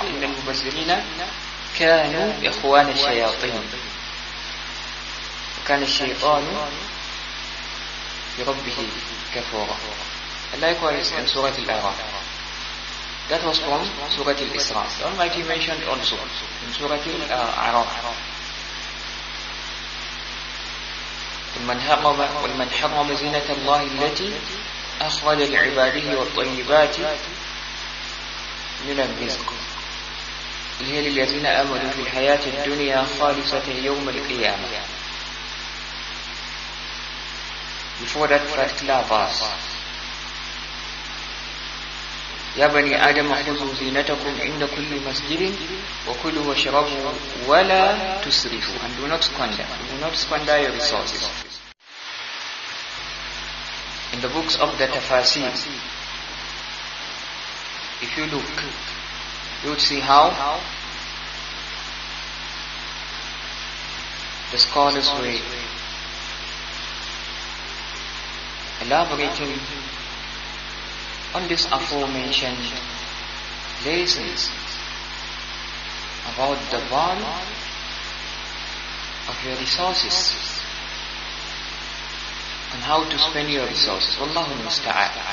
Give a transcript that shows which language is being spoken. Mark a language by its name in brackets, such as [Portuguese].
[Arabic] إِنَّ الْمُبَذِّرِينَ كانوا إخوان الشياطين، وكان الشيطان بربه كفورا. [English] Likewise in Surah Al-A'raf. That was from Surah Al-Isra. The Almighty mentioned also in Surah Al-A'raf. [Arabic] ومن حرم زينة الله التي أخرج لعباده والطيبات من الرزق. هي للذين آمنوا في الحياة الدنيا خالصة يوم القيامة. [English] Before that particular verse, [Arabic] يا بني آدم خذوا زينتكم عند كل مسجد وكلوا واشربوا ولا تسرفوا. [English] And do not squander. Do not squander your resources. In the books of the Tafasir, if you look, you would see how the scholars were elaborating on this aforementioned places about the burn of your resources and how to spend your resources. Wallahu musta'an.